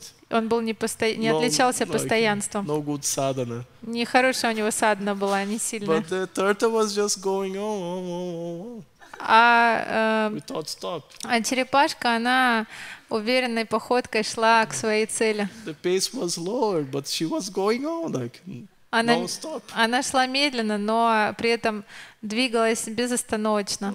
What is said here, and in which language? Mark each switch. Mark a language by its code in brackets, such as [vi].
[ru] Он был не отличался постоянством. [en] No good sadhana. [ru] Нехорошая у него садхана была, не сильно. [en] But the turtle was just going on. [ru] А черепашка, она уверенной походкой шла к своей цели. [en] The pace was lower, but she was going on like non-stop. [ru] Она шла медленно, но при этом двигалась безостановочно.